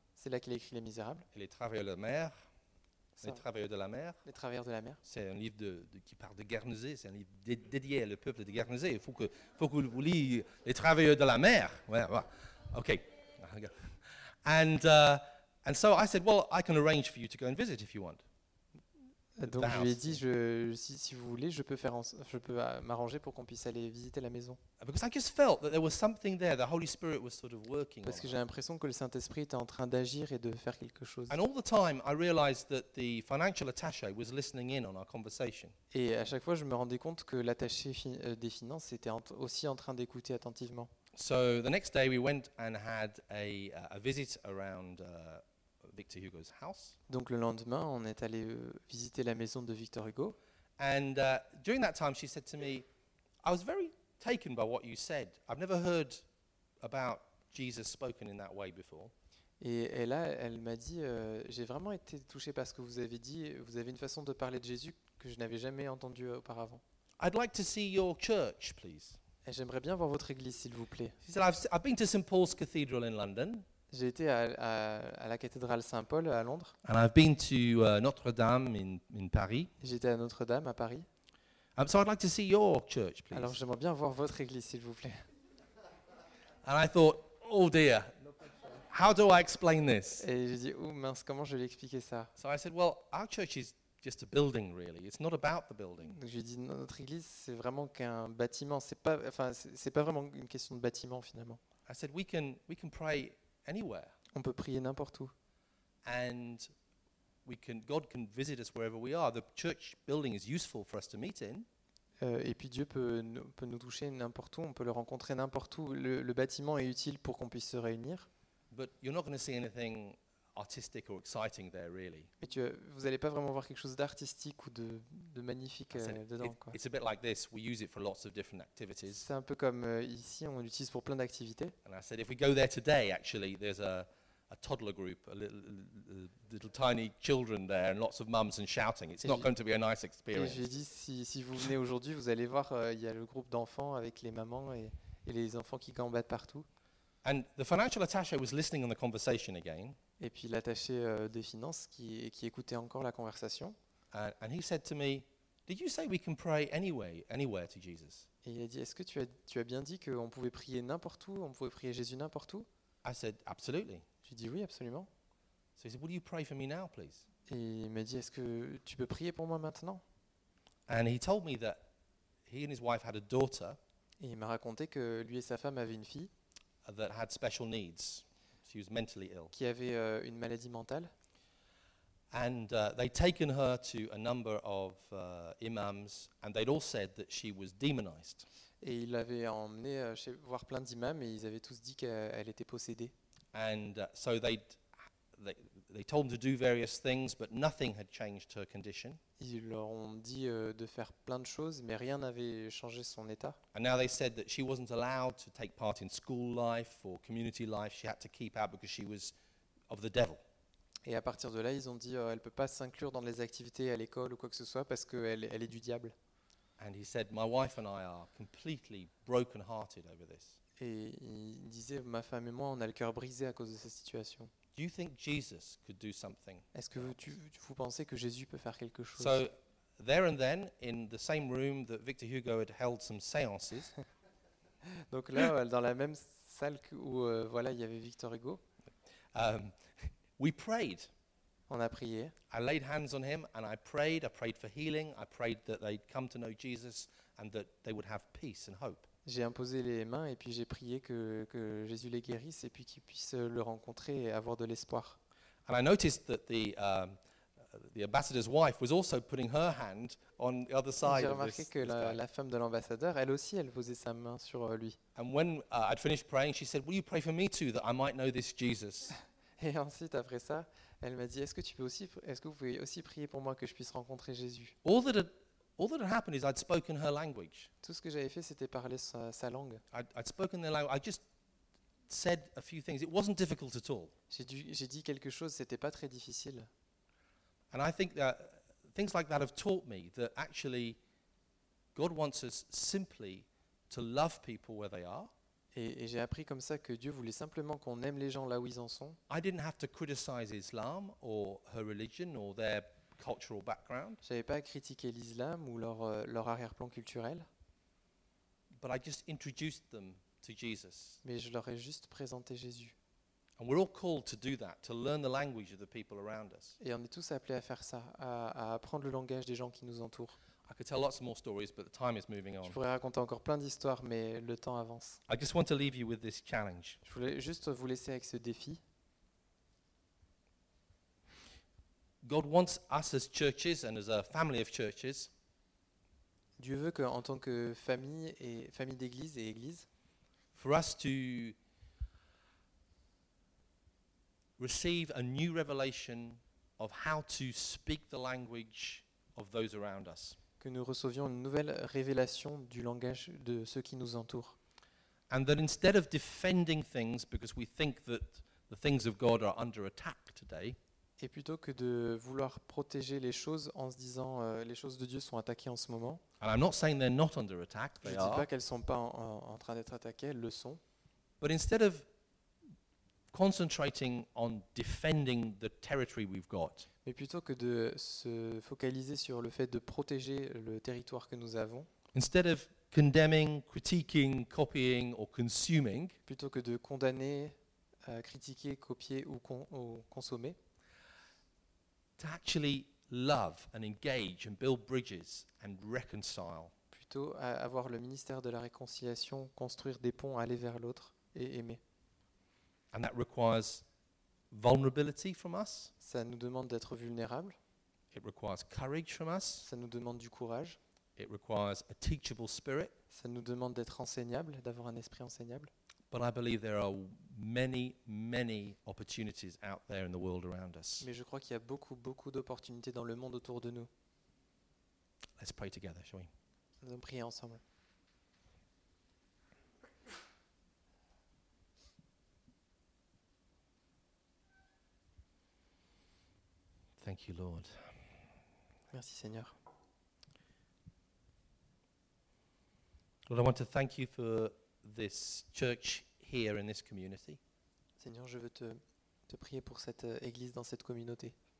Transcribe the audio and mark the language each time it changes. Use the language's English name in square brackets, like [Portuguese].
[French] C'est là qu'il a écrit Les Misérables. Et Les Travailleurs de la Mer. Les Travailleurs de la Mer. C'est un livre qui parle de Guernsey. C'est un livre dédié au peuple de Guernsey. Il faut que vous lisiez Les Travailleurs de la Mer. Ouais. Ok. [English] And so I said, well, I can arrange for you to go and visit if you want. [French] Donc je lui ai dit, si vous voulez, je peux m'arranger pour qu'on puisse aller visiter la maison. [English] Because I just felt that there was something there. The Holy Spirit was sort of working. [French] Parce que j'ai l'impression que le Saint-Esprit était en train d'agir et de faire quelque chose. [English] And all the time, I realized that the financial attaché was listening in on our conversation. [French] Et à chaque fois, je me rendais compte que l'attaché des finances était aussi en train d'écouter attentivement. [English] So the next day we went and had a visit around Victor Hugo's house. [French] Donc le lendemain, on est allé visiter la maison de Victor Hugo. [English] And during that time she said to me, I was very taken by what you said. I've never heard about Jesus spoken in that way before. [French] Et là, elle m'a dit j'ai vraiment été touché par ce que vous avez dit, vous avez une façon de parler de Jésus que je n'avais jamais entendu auparavant. [English] I'd like to see your church, please. [French] Et j'aimerais bien voir votre église, s'il vous plaît. [English] She said, I've been to St. Paul's Cathedral in London. [French] J'ai été à la cathédrale Saint-Paul à Londres. [English] And I've been to Notre-Dame in Paris. [French] J'étais à Notre-Dame à Paris. [English] So I'd like to see your church, please. [French] Alors j'aimerais bien voir votre église, s'il vous plaît. [English] And I thought, oh dear, how do I explain this? [French] Et j'ai dit, oh mince, comment je vais expliquer ça? [English] So I said, well, our church is just a building, really. It's not about the building. [French] Donc j'ai dit, notre église, c'est vraiment qu'un bâtiment. C'est pas vraiment une question de bâtiment, finalement. [English] I said, we can pray anywhere. [French] On peut prier n'importe où. [English] And God can visit us wherever we are. The church building is useful for us to meet in. [French] Et puis Dieu peut nous toucher n'importe où. On peut le rencontrer n'importe où. Le bâtiment est utile pour qu'on puisse se réunir. [English] But you're not going to see anything artistic or exciting there really. [French] Mais tu vous allez pas vraiment voir quelque chose d'artistique ou de magnifique dedans quoi. [English] It's a bit like this. We use it for lots of different activities. [French] C'est un peu comme ici, on l'utilise pour plein d'activités. [English] And I said if we go there today actually there's a toddler group, a little tiny children there and lots of mums and shouting. It's not going to be a nice experience. [French] J'ai dit si vous venez aujourd'hui, vous allez voir il y a le groupe d'enfants avec les mamans et les enfants qui gambattent partout. [English] And the financial attaché was listening in the conversation again. [French] Et puis l'attaché des finances qui écoutait encore la conversation. [English] And he said to me, "Did you say we can pray anyway, anywhere to Jesus?" [French] Et il a dit, "Est-ce que tu as bien dit qu'on pouvait prier n'importe où, on pouvait prier Jésus n'importe où?" [English] I said, "Absolutely." [French] J'ai dit oui, absolument. [English] So he said, "Will you pray for me now, please?" [French] Et il m'a dit, "Est-ce que tu peux prier pour moi maintenant?" [English] And he told me that he and his wife had a daughter. [French] Et il m'a raconté que lui et sa femme avaient une fille. [English] That had special needs. She was mentally ill. [French] Qui avait une maladie mentale. [English] And they'd taken her to a number of imams, and they'd all said that she was demonized. [French] Et ils l'avaient emmenée chez voir plein d'imams, et ils avaient tous dit qu'elle était possédée. [English] And so they told them to do various things, but nothing had changed her condition. [French] Ils leur ont dit de faire plein de choses, mais rien n'avait changé son état. [English] And now they said that she wasn't allowed to take part in school life or community life. She had to keep out because she was of the devil. [French] Et à partir de là, ils ont dit elle peut pas s'inclure dans les activités à l'école ou quoi que ce soit parce qu'elle est du diable. [English] And he said, "My wife and I are completely broken-hearted over this." [French] Et il disait, ma femme et moi, on a le cœur brisé à cause de cette situation. [English] Do you think Jesus could do something? [French] Est-ce que vous pensez que Jésus peut faire quelque chose? [English] So, there and then, in the same room that Victor Hugo had held some séances. [French] Donc là, dans la même salle où voilà, il y avait Victor Hugo. [English] We prayed. [French] On a prié. [English] I laid hands on him and I prayed. I prayed for healing. I prayed that they'd come to know Jesus and that they would have peace and hope. [French] J'ai imposé les mains et puis j'ai prié que Jésus les guérisse et puis qu'ils puissent le rencontrer et avoir de l'espoir. [English] And I noticed that the ambassador's wife was also putting her hand on the other side. [French] J'ai remarqué que la femme de l'ambassadeur, elle aussi, elle posait sa main sur lui. [English] And when I'd finished praying, she said, "Will you pray for me too, that I might know this Jesus?" [French] Et ensuite, après ça, elle m'a dit, est-ce que vous pouvez aussi prier pour moi que je puisse rencontrer Jésus? [English] All that had happened is I'd spoken her language. [French] Tout ce que j'avais fait, c'était parler sa langue. [English] I'd spoken their language. I just said a few things. It wasn't difficult at all. [French] J'ai dit quelque chose. C'était pas très difficile. [English] And I think that things like that have taught me that actually God wants us simply to love people where they are. [French] Et j'ai appris comme ça que Dieu voulait simplement qu'on aime les gens là où ils en sont. [English] I didn't have to criticize Islam or her religion or their cultural background. [French] J'avais pas à critiquer l'islam ou leur arrière-plan culturel. [English] But I just introduced them to Jesus. [French] Mais je leur ai juste présenté Jésus. [English] And we're all called to do that, to learn the language of the people around us. [French] Et on est tous appelés à faire ça, à apprendre le langage des gens qui nous entourent. [English] I could tell lots more stories, but the time is moving on. [French] Je pourrais raconter encore plein d'histoires, mais le temps avance. [English] I just want to leave you with this challenge. [French] Je voulais juste vous laisser avec ce défi. [English] God wants us as churches and as a family of churches. [French] Dieu veut que en tant que famille d'église et église, [English] for us to receive a new revelation of how to speak the language of those around us. [French] Que nous recevions une nouvelle révélation du langage de ceux qui nous entourent. [English] And that instead of defending things because we think that the things of God are under attack today. [French] Et plutôt que de vouloir protéger les choses en se disant les choses de Dieu sont attaquées en ce moment. [English] And I'm not saying they're not under attack, they are. [French] Je ne dis pas qu'elles ne sont pas en train d'être attaquées, elles le sont. [English] But instead of concentrating on defending the territory we've got. [French] Mais plutôt que de se focaliser sur le fait de protéger le territoire que nous avons. [English] Instead of condemning, critiquing, copying or consuming. [French] Plutôt que de condamner, critiquer, copier ou consommer. [English] To actually love and engage and build bridges and reconcile. [French] Plutôt à avoir le ministère de la réconciliation, construire des ponts, aller vers l'autre et aimer. [English] And that requires vulnerability from us. [French] Ça nous demande d'être vulnérable. [English] It requires courage from us. [French] Ça nous demande du courage. [English] It requires a teachable spirit. [French] Ça nous demande d'être enseignable, d'avoir un esprit enseignable. [English] But I believe there are many, many opportunities out there in the world around us. [French] Mais je crois qu'il y a beaucoup, beaucoup d'opportunités dans le monde autour de nous. [English] Let's pray together, shall we? [French] Nous allons prier ensemble. [English] Thank you, Lord. [French] Merci, Seigneur. [English] Lord, I want to thank you for this church here in this community. [French] Seigneur, je veux te prier pour cette église dans cette communauté.